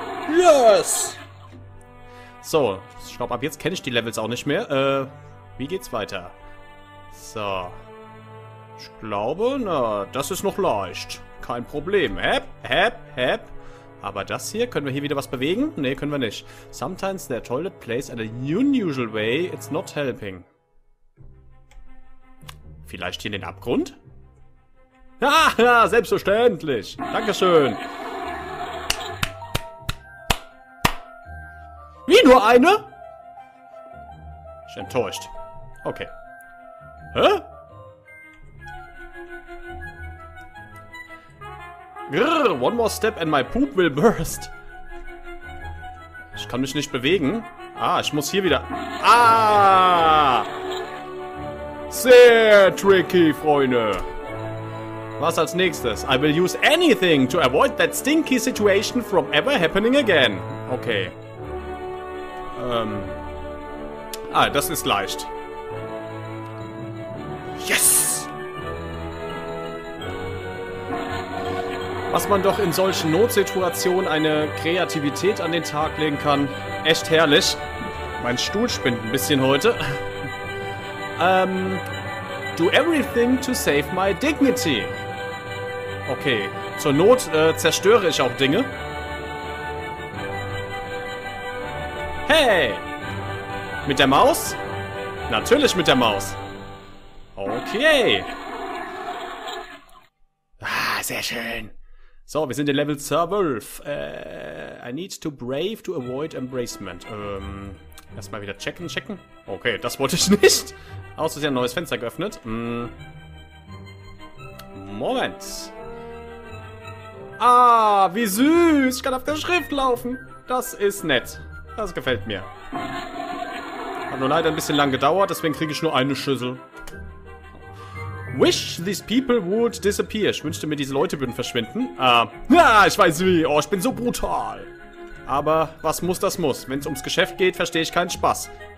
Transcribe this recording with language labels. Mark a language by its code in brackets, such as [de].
[de] Yes! So, ich glaube, ab jetzt kenne ich die Levels auch nicht mehr. Wie geht's weiter? So. Ich glaube, na, das ist noch leicht. Kein Problem. Hep. Aber das hier, können wir hier wieder was bewegen? Nee, können wir nicht. [en] Sometimes the toilet plays in a unusual way, it's not helping. [de] Vielleicht hier in den Abgrund? Ja, selbstverständlich. Dankeschön. Wie, nur eine? Ich bin enttäuscht. Okay. Hä? [en] Grrr, one more step and my poop will burst. [de] Ich kann mich nicht bewegen. Ah, ich muss hier wieder... Ah! Sehr tricky, Freunde. Was als nächstes? [en] I will use anything to avoid that stinky situation from ever happening again. [de] Okay. Das ist leicht. [en] Yes! [de] Was man doch in solchen Notsituationen eine Kreativität an den Tag legen kann. Echt herrlich. Mein Stuhl spinnt ein bisschen heute. [en] Do everything to save my dignity. [de] Okay, zur Not zerstöre ich auch Dinge. Hey! Mit der Maus? Natürlich mit der Maus. Okay. Ah, sehr schön. So, wir sind in Level 12. [en] I need to brave to avoid embracement. [de] Erstmal wieder checken. Okay, das wollte ich nicht. Außer sie hat ein neues Fenster geöffnet. Moment. Ah, wie süß! Ich kann auf der Schrift laufen! Das ist nett. Das gefällt mir. Hat nur leider ein bisschen lang gedauert, deswegen kriege ich nur eine Schüssel. [en] Wish these people would disappear. [de] Ich wünschte mir, diese Leute würden verschwinden. Ich weiß wie. Oh, ich bin so brutal. Aber was muss, das muss. Wenn es ums Geschäft geht, verstehe ich keinen Spaß.